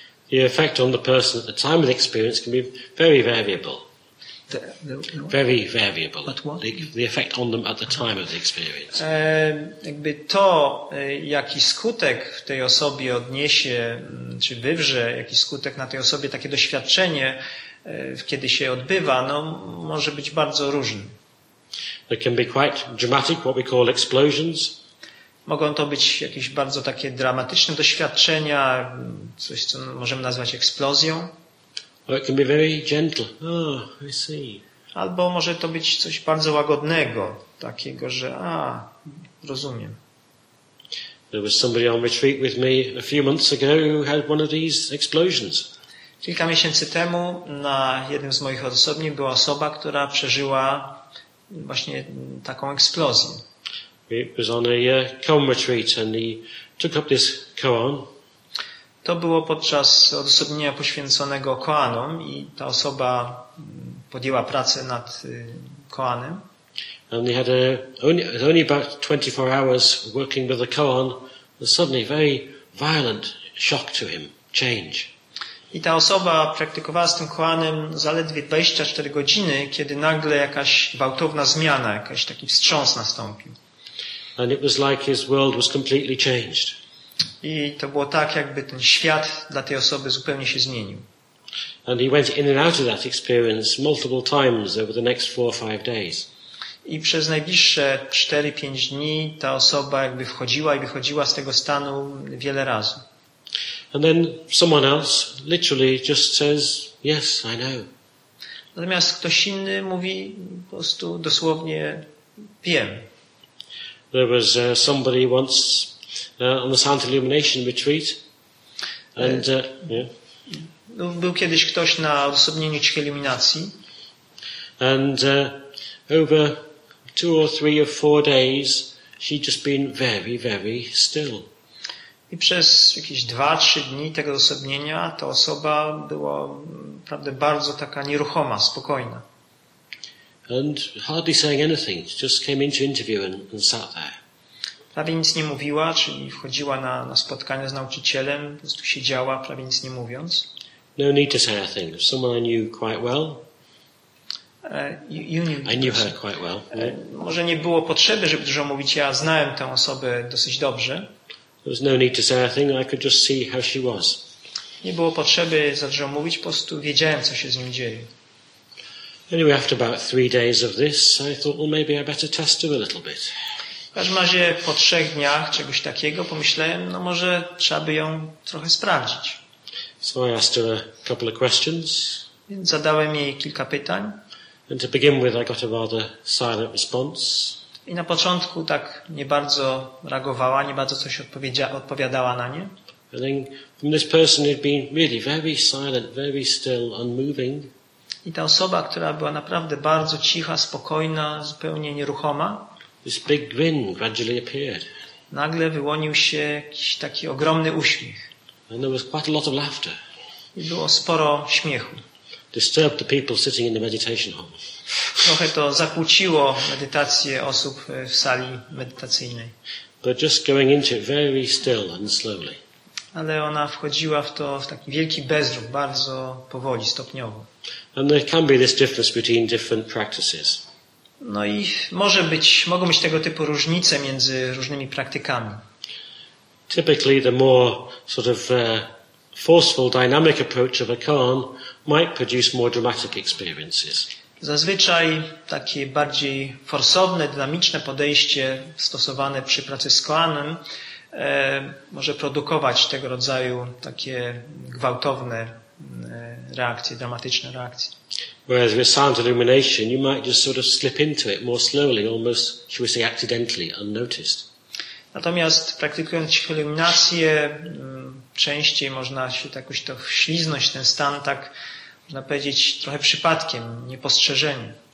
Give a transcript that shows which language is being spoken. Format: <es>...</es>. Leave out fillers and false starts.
<en>The effect on the person at the time of the experience can be very variable. very variable. But what? The effect on them at the time of the experience.</en> <pl>Jakby to, jaki skutek w tej osobie odniesie, czy wywrze, jaki skutek na tej osobie, takie doświadczenie, kiedy się odbywa, no, może być bardzo różny.</pl> <en>It can be quite dramatic, what we call explosions.</en> <pl>Mogą to być jakieś bardzo takie dramatyczne doświadczenia, coś, co możemy nazwać eksplozją.</pl> <en>Or it can be very gentle. Oh, I see.</en> <pl>Albo może to być coś bardzo łagodnego, takiego, że rozumiem.</pl> <en>There was somebody on retreat with me a few months ago who had one of these explosions.</en> <pl>Kilka miesięcy temu na jednym z moich odosobni była osoba, która przeżyła właśnie taką eksplozję.</pl> <en>It was on a koan retreat and he took up this koan.</en> <pl>To było podczas odosobnienia poświęconego koanom i ta osoba podjęła pracę nad koanem.</pl> <en>And he had only about 24 hours working with the koan, and suddenly very violent shock to him, change.</en> <pl>I ta osoba praktykowała z tym koanem zaledwie 24 godziny, kiedy nagle jakaś gwałtowna zmiana, jakiś taki wstrząs nastąpił.</pl> <en>And it was like his world was completely changed.</en> <pl>I to było tak, jakby ten świat dla tej osoby zupełnie się zmienił.</pl> <en>And he went in and out of that experience multiple times over the next 4 or 5 days.</en> <pl>I przez najbliższe 4-5 dni ta osoba jakby wchodziła i wychodziła z tego stanu wiele razy.</pl> <en>And then someone else literally just says, yes, I know.</en> <pl>Natomiast ktoś inny mówi po prostu dosłownie, wiem.</pl> <en>There was somebody once on the Silent Illumination retreat. And, yeah.</en> <pl>Był kiedyś ktoś na odosobnieniu Cichej Iluminacji.</pl> <en>And over 2 or 3 or 4 days she'd just been very, very still.</en> <pl>I przez jakieś 2-3 dni tego odosobnienia ta osoba była naprawdę bardzo taka nieruchoma, spokojna.</pl> <en>And hardly saying anything, just came into interview and sat there.</en> <pl>Prawie nic nie mówiła, czyli wchodziła na spotkanie z nauczycielem, po prostu siedziała, prawie nic nie mówiąc.</pl> <en>No need to say a thing. Someone I knew quite well. You knew her quite well.</en> <pl>Może nie było potrzeby, żeby dużo mówić. Ja znałem tę osobę dosyć dobrze.</pl> <en>There was no need to say a thing. I could just see how she was.</en> <pl>Nie było potrzeby za dużo mówić. Po prostu wiedziałem, co się z nią dzieje.</pl> <en>Anyway, after about 3 days of this, I thought, well, maybe I better test her a little bit.</en> <pl>W każdym razie po 3 dniach czegoś takiego pomyślałem, no może trzeba by ją trochę sprawdzić.</pl> <en>So I asked her a couple of questions.</en> <pl>Więc zadałem jej kilka pytań.</pl> <en>And to begin with, I got a rather silent response.</en> <pl>I na początku tak nie bardzo reagowała, nie bardzo coś odpowiadała na nie.</pl> <en>And then from this person had been really very silent, very still, unmoving.</en> <pl>I ta osoba, która była naprawdę bardzo cicha, spokojna, zupełnie nieruchoma,</pl> <en>this big grin gradually appeared.</en> <pl>Nagle wyłonił się jakiś taki ogromny uśmiech.</pl> <en>And there was quite a lot of laughter.</en> <pl>I było sporo śmiechu.</pl> <en>Disturbed the people sitting in the meditation hall.</en> <pl>Trochę to zakłóciło medytację osób w sali medytacyjnej.</pl> <en>But just going into it very still and slowly.</en> <pl>Ale ona wchodziła w to w taki wielki bezruch, bardzo powoli, stopniowo.</pl> <en>And there can be this difference between different practices.</en> <pl>No i mogą być tego typu różnice między różnymi praktykami.</pl> <en>Typically the more sort of forceful dynamic approach of a koan might produce more dramatic experiences.</en> <pl>Zazwyczaj takie bardziej forsowne, dynamiczne podejście stosowane przy pracy z koanem może produkować tego rodzaju takie gwałtowne reakcje, dramatyczne reakcje.</pl> <en>Whereas with silent illumination, you might just sort of slip into it more slowly, almost, shall we say, accidentally, unnoticed.</en> <pl>Natomiast praktykując iluminację, częściej można się jakoś to wśliznąć, ten stan, tak, można powiedzieć, trochę przypadkiem, niepostrzeżenie.</pl>